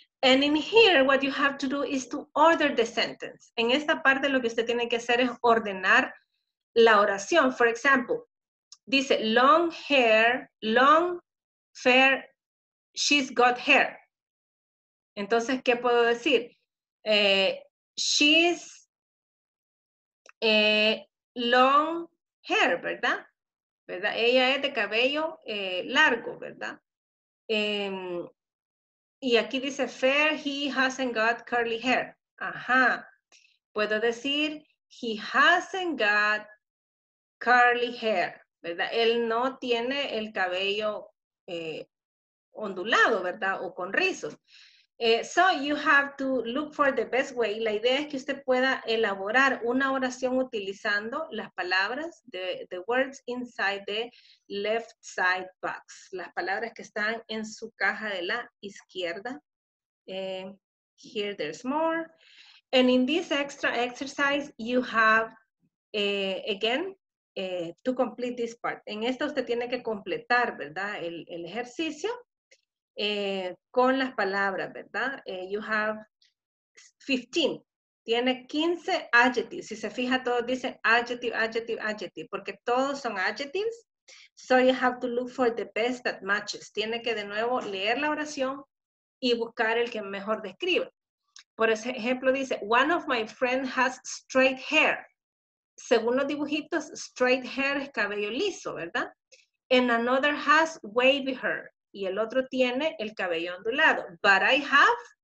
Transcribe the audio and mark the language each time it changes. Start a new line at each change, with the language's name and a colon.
English: And in here, what you have to do is to order the sentence.
Spanish: En esta parte, lo que usted tiene que hacer es ordenar la oración.
English: For example,
Spanish: dice,
English: long hair, long, fair, she's got hair.
Spanish: Entonces, ¿qué puedo decir?
English: She's long hair,
Spanish: ¿verdad? ¿Verdad? Ella es de cabello largo, ¿verdad? Y aquí dice,
English: fair, he hasn't got curly hair.
Spanish: Ajá. Puedo decir,
English: he hasn't got curly hair,
Spanish: ¿verdad? Él no tiene el cabello ondulado, ¿verdad? O con rizos.
English: So you have to look for the best way.
Spanish: La idea es que usted pueda elaborar una oración utilizando las palabras,
English: the words inside the left side box.
Spanish: Las palabras que están en su caja de la izquierda.
English: Here there's more. And in this extra exercise, you have, to complete this part.
Spanish: En esto usted tiene que completar, ¿verdad? El ejercicio. Con las palabras, ¿verdad?
English: You have 15.
Spanish: Tiene 15 adjectives. Si se fija, todos dicen adjective, adjective, adjective, porque todos son adjectives.
English: So you have to look for the best that matches.
Spanish: Tiene que de nuevo leer la oración y buscar el que mejor describa. Por ejemplo, dice,
English: one of my friends has straight hair.
Spanish: Según los dibujitos, straight hair es cabello liso, ¿verdad?
English: And another has wavy hair.
Spanish: Y el otro tiene el cabello ondulado.
English: But I have.